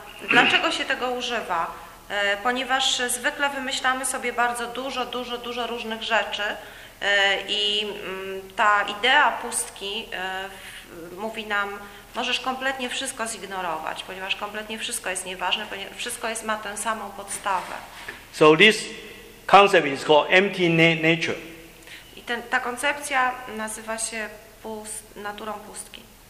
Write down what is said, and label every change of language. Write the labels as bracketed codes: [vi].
[pl] Dlaczego się tego używa? Ponieważ zwykle wymyślamy sobie bardzo dużo, dużo, dużo różnych rzeczy i ta idea pustki mówi nam, możesz kompletnie wszystko zignorować, ponieważ kompletnie wszystko jest nieważne, ponieważ wszystko ma tę samą podstawę. [en] So this concept is called empty nature. [pl] I ta koncepcja nazywa się naturą pustki.